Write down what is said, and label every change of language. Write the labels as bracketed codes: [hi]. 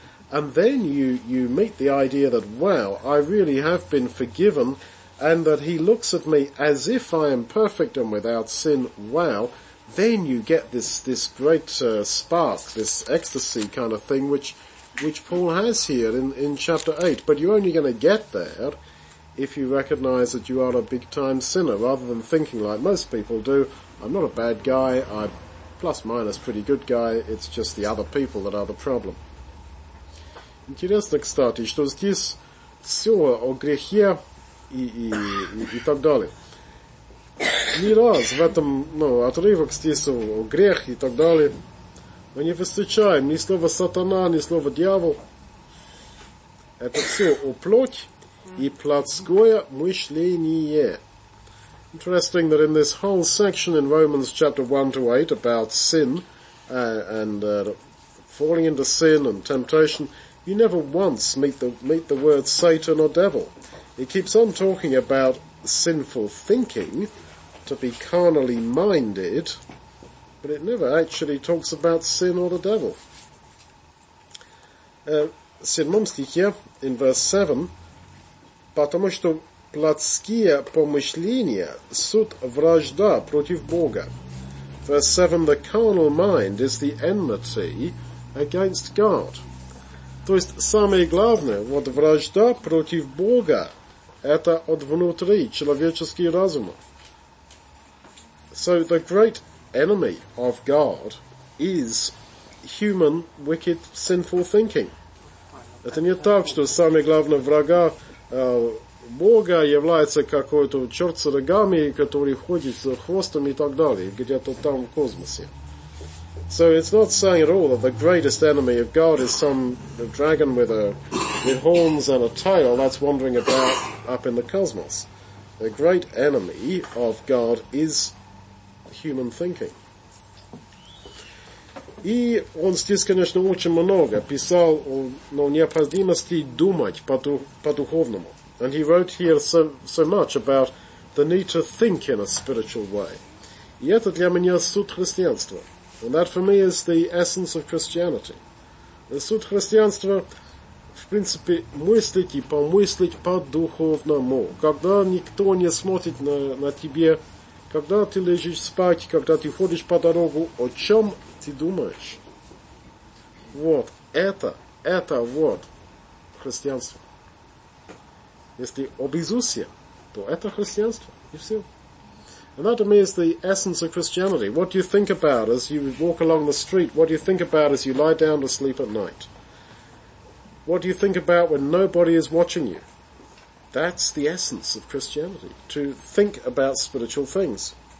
[en] And then you meet the idea that, wow, I really have been forgiven and that he looks at me as if I am perfect and without sin, wow, then you get this great spark, this ecstasy kind of thing which Paul has here in chapter 8. But you're only going to get there if you recognize that you are a big-time sinner, rather than thinking like most people do, I'm not a bad guy, I'm plus-minus pretty good guy, it's just the other people that are the problem. [ru] Интересно, кстати, что здесь все о грехе и так далее. Ни раз в этом, ну, отрывок здесь о грех и так далее, мы не встречаем ни слова сатана, ни слова дьявол. Это все о плоти и плотское мышление. [en] Interesting that in this whole section in Romans chapter 1 to 8 about sin and falling into sin and temptation, you never once meet the word Satan or devil. It keeps on talking about sinful thinking, to be carnally minded, but it never actually talks about sin or the devil. [ru] Седьмом стихе, [en] in verse 7, [ru] потому что плотские помышления суть вражда против Бога. [en] Verse 7, the carnal mind is the enmity against God. [ru] То есть самое главное, вот вражда против Бога, это от внутри человеческий разум. [en] So the great enemy of God is human, wicked, sinful thinking. [ru] Это не так, что самое главное врага Бога является какой-то черт с рогами, который ходит за хвостом и так далее, где-то там в космосе. [en] So it's not saying at all that the greatest enemy of God is some dragon with horns and a tail that's wandering about up in the cosmos. The great enemy of God is human thinking. [ru] И он здесь, конечно, очень много писал о необходимости думать по-духовному. [en] And he wrote here so much about the need to think in a spiritual way. [ru] И это для меня суть христианства. [en] And that for me is the essence of Christianity. [ru] The суть христианства, в принципе, мыслить и помыслить по-духовному. Когда никто не смотрит на тебе, когда ты лежишь спать, когда ты ходишь по дорогу, о чем ты думаешь? Вот это вот христианство. Если об Иисусе, то это христианство, и все. [en] And that to me is the essence of Christianity. What do you think about as you walk along the street? What do you think about as you lie down to sleep at night? What do you think about when nobody is watching you? That's the essence of Christianity, to think about spiritual things.